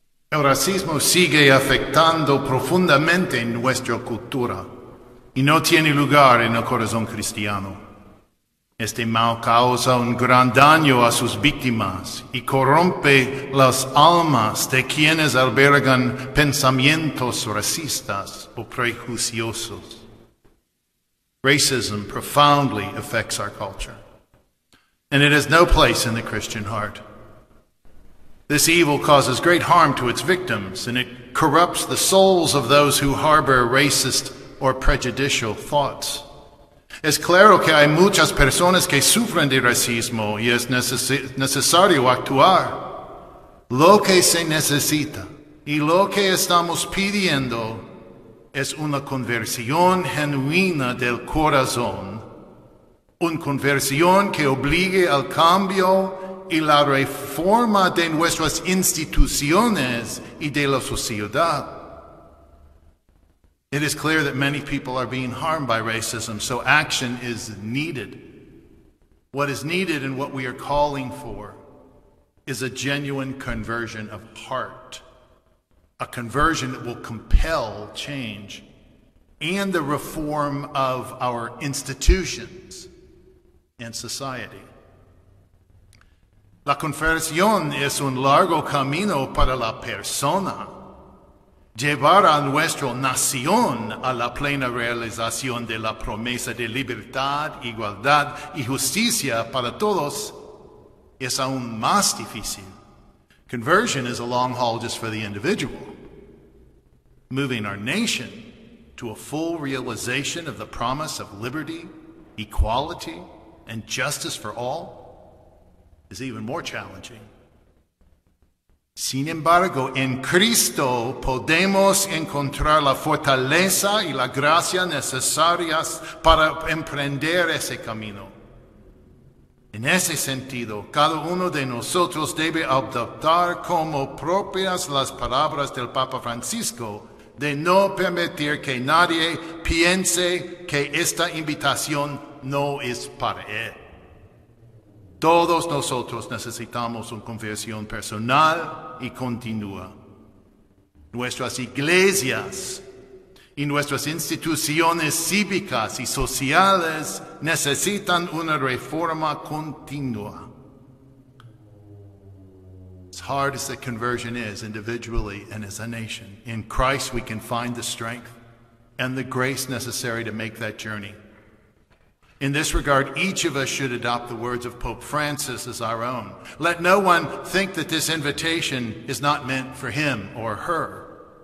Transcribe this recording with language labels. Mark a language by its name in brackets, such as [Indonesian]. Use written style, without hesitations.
[Spanish] El racismo sigue afectando profundamente nuestra cultura y no tiene lugar en el corazón cristiano. Este mal causa un gran daño a sus víctimas y corrompe las almas de quienes albergan pensamientos racistas o prejuiciosos. [English] Racism profoundly affects our culture, and it has no place in the Christian heart. This evil causes great harm to its victims, and it corrupts the souls of those who harbor racist or prejudicial thoughts. [Spanish] Es claro que hay muchas personas que sufren de racismo y es necesario actuar. Lo que se necesita y lo que estamos pidiendo es una conversión genuina del corazón, una conversión que obligue al cambio y la reforma de nuestras instituciones y de la sociedad. [English] It is clear that many people are being harmed by racism, so action is needed. What is needed and what we are calling for is a genuine conversion of heart, a conversion that will compel change and the reform of our institutions and society. [Spanish] La conversión es un largo camino para la persona. Llevar a nuestra nación a la plena realización de la promesa de libertad, igualdad y justicia para todos es aún más difícil. [English] Conversion is a long haul just for the individual. Moving our nation to a full realization of the promise of liberty, equality, and justice for all is even more challenging. [Spanish] Sin embargo, en Cristo podemos encontrar la fortaleza y la gracia necesarias para emprender ese camino. En ese sentido, cada uno de nosotros debe adoptar como propias las palabras del Papa Francisco de no permitir que nadie piense que esta invitación no es para él. Todos nosotros necesitamos una conversión personal y continua. Nuestras iglesias y nuestras instituciones cívicas y sociales necesitan una reforma continua. [English] As hard as the conversion is, individually and as a nation, in Christ we can find the strength and the grace necessary to make that journey. In this regard, each of us should adopt the words of Pope Francis as our own. Let no one think that this invitation is not meant for him or her.